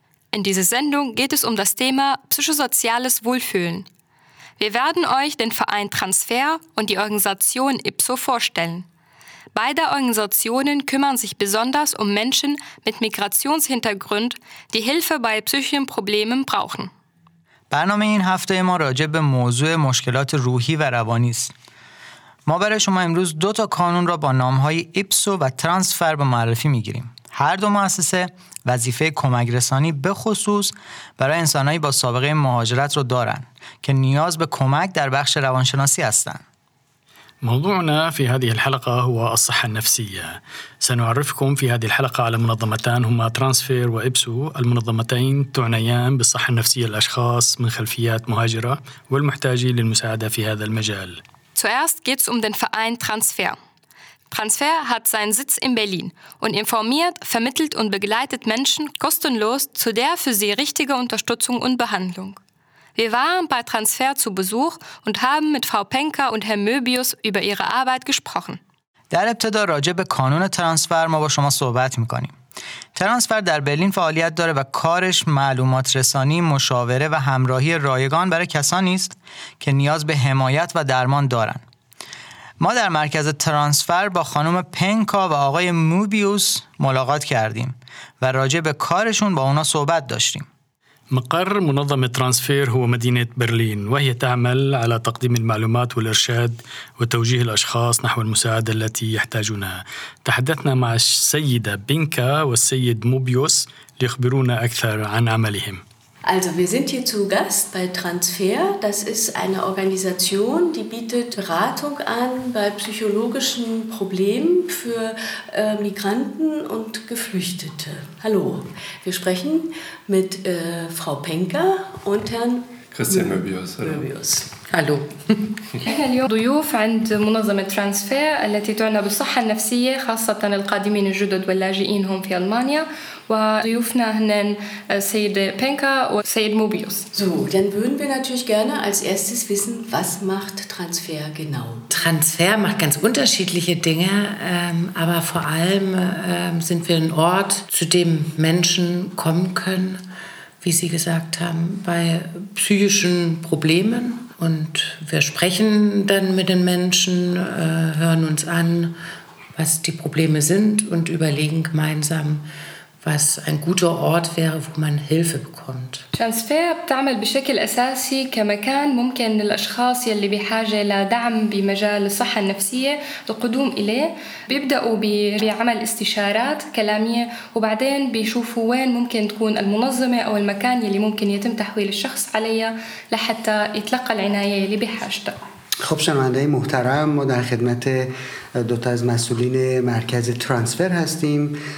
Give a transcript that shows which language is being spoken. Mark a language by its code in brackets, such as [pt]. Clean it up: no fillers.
[de] In dieser Sendung geht es um das Thema psychosoziales Wohlfühlen. Wir werden euch den Verein Transfer und die Organisation IPSO vorstellen. Beide Organisationen kümmern sich besonders um Menschen mit Migrationshintergrund, die Hilfe bei psychischen Problemen brauchen. [fa] برنامه این هفته ما راجع به موضوع مشکلات روحی و روانی است. ما برای شما امروز دو تا کانون را با نامهای ایپسو و ترانسفر به معرفی میگیریم. هر دو مؤسسه وظیفه کمک رسانی به خصوص برای انسانهایی با سابقه مهاجرت را دارند که نیاز به کمک در بخش روانشناسی هستند. [ar] موضوعنا في هذه الحلقة هو الصحة النفسية. سنعرفكم في هذه الحلقة على منظمتان هما ترانسفير وإبسو. المنظمتين تعنيان بالصحة النفسية للأشخاص من خلفيات مهاجرة والمحتاجين للمساعدة في هذا المجال. [de] Zuerst geht's den Verein Transfer. Transfer hat seinen Sitz in Berlin und informiert, vermittelt und begleitet Menschen kostenlos zu der für sie richtige Unterstützung und Behandlung. Wir waren bei Transfer zu Besuch und haben mit Frau Penker und Herrn Möbius über ihre Arbeit gesprochen. [fa] در ابتدا راجع به کانون ترانسفر ما با شما صحبت می‌کنیم. ترانسفر در برلین فعالیت داره و کارش معلومات رسانی، مشاوره و همراهی رایگان برای کسانی است که نیاز به حمایت و درمان دارن. ما در مرکز ترانسفر با خانم پنکا و آقای موبیوس ملاقات کردیم و راجع به کارشون با اونا صحبت داشتیم. [ar] مقر منظمة ترانسفير هو مدينة برلين وهي تعمل على تقديم المعلومات والإرشاد وتوجيه الأشخاص نحو المساعدة التي يحتاجونها. تحدثنا مع السيدة بينكا والسيد موبيوس ليخبرونا أكثر عن عملهم. [de] Also wir sind hier zu Gast bei Transfer. Das ist eine Organisation, die bietet Beratung an bei psychologischen Problemen für Migranten und Geflüchtete. Hallo, wir sprechen mit Frau Penker und Herrn Christian Möbius. Möbius. Hallo. [ar] اليوم ضيوف عند منظمة ترانسفير التي تعنى بالصحة النفسية خاصة القادمين الجدد واللاجئين هم في ألمانيا. وضيوفنا هنا السيد بينكا والسيد موبيوس. [de] So, dann würden wir natürlich gerne als erstes wissen, was macht Transfer genau? Transfer macht ganz unterschiedliche Dinge, aber vor allem sind wir ein Ort, zu dem Menschen kommen können, wie Sie gesagt haben, bei psychischen Problemen. Und wir sprechen dann mit den Menschen, hören uns an, was die Probleme sind und überlegen gemeinsam, was ein guter Ort wäre, wo man Hilfe bekommt. [ar] Transfer بتعمل بشكل أساسي كمكان ممكن للأشخاص يلي بحاجة لدعم بمجال الصحة النفسية القدوم إليه. بيبدأوا بعمل استشارات كلامية وبعدين بيشوفوا وين ممكن تكون المنظمة أو المكان يلي ممكن يتم تحويل الشخص عليها لحتى يتلقى العناية يلي بحاجته. [fa] خب شنونده محترم، ما در خدمت دوتا از مسئولین مرکز ترانسفر هستیم.